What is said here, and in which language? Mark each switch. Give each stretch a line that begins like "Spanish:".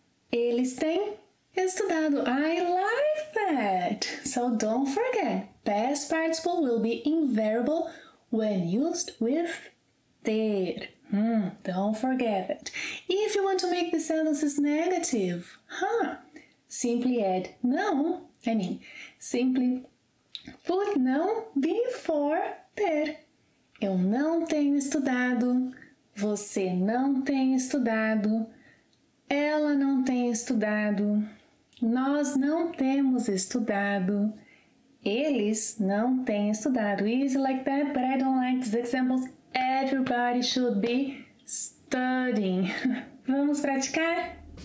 Portuguese: Eles têm estudado.
English: I like that! So don't forget, past participle will be invariable when used with ter. Don't forget it. If you want to make the sentences negative, huh? Simply add não, I mean, simply put não before ter.
Portuguese: Eu não tenho estudado, você não tem estudado, ela não tem estudado, nós não temos estudado, eles não têm estudado.
English: Easy like that, but I don't like these examples. Everybody should be studying.
Portuguese: Vamos praticar?